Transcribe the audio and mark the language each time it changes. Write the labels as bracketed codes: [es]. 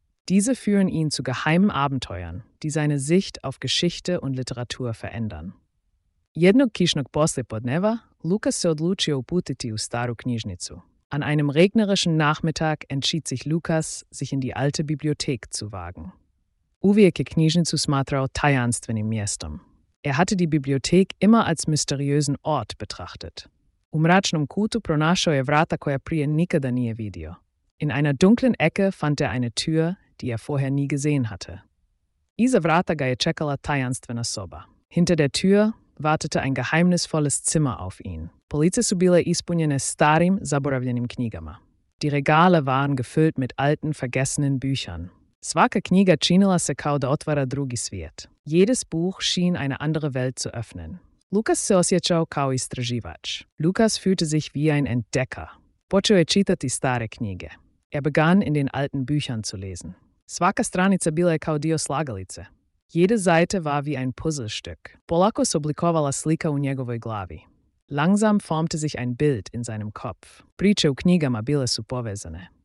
[de] Diese führen ihn zu geheimen Abenteuern, die seine Sicht auf Geschichte und Literatur verändern. [hr] Jednog kišnog poslijepodneva, Lukas se odlučio uputiti u staru knjižnicu. [de] An einem regnerischen Nachmittag entschied sich Lukas, sich in die alte Bibliothek zu wagen. [hr] Uwe je knjižnicu smatrao tajanstvenim mjestom. [de] Er hatte die Bibliothek immer als mysteriösen Ort betrachtet. [hr] U mračnom kutu pronašao je vrata koja prije nikada nije vidio. [de] In einer dunklen Ecke fand er eine Tür, die er vorher nie gesehen hatte. [hr] Iza vrata ga je čekala tajanstvena soba. [de] Hinter der Tür wartete ein geheimnisvolles Zimmer auf ihn. [hr] Police su bile ispunjene starim, zaboravljenim knjigama. [de] Die Regale waren gefüllt mit alten, vergessenen Büchern. [hr] Svaka knjiga činila se kao da otvara drugi svijet. [de] Jedes Buch schien eine andere Welt zu öffnen. [hr] Lukas se osjećao kao istraživač. [de] Lukas fühlte sich wie ein Entdecker. [hr] Počeo je čitati stare knjige. [de] Er begann, in den alten Büchern zu lesen. [hr] Svaka stranica bila je kao dio slagalice. [de] Jede Seite war wie ein Puzzlestück. [hr] Polako se oblikovala slika u njegovoj glavi. [de] Langsam formte sich ein Bild in seinem Kopf. [hr] Priče u knjigama bile su povezane.